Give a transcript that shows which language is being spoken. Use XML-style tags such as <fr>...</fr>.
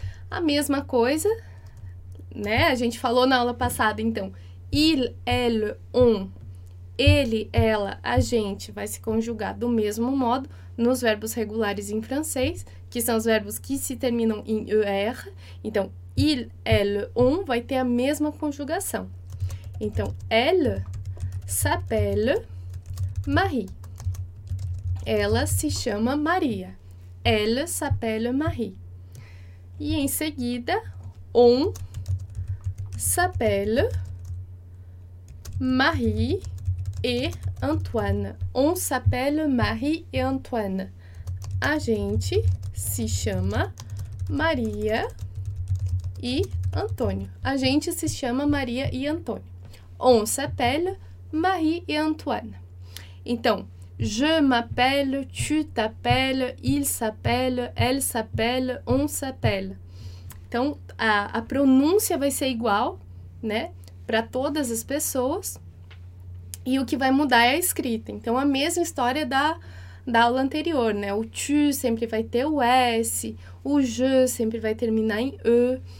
<pt>A mesma coisa, né? A gente falou na aula passada, então.</pt> <fr>Il, elle, on.</fr> <pt>Ele, ela, a gente vai se conjugar do mesmo modo nos verbos regulares em francês, que são os verbos que se terminam em er. Então, il, elle, on vai ter a mesma conjugação.</pt> <fr>Então, elle s'appelle Marie.</fr> <pt>Ela se chama Maria.</pt> <fr>Elle s'appelle Marie. E em seguida, on s'appelle Marie et Antoine. On s'appelle Marie et Antoine.</fr> <pt>A gente se chama Maria e Antônio. A gente se chama Maria e Antônio.</pt> <fr>On s'appelle Marie et Antoine. Então, je m'appelle, tu t'appelles, il s'appelle, elle s'appelle, on s'appelle.</fr> <pt>Então, a pronúncia vai ser igual, né, para todas as pessoas. E o que vai mudar é a escrita. Então, a mesma história da aula anterior, né? O tu sempre vai ter o S, o je sempre vai terminar em E.</pt>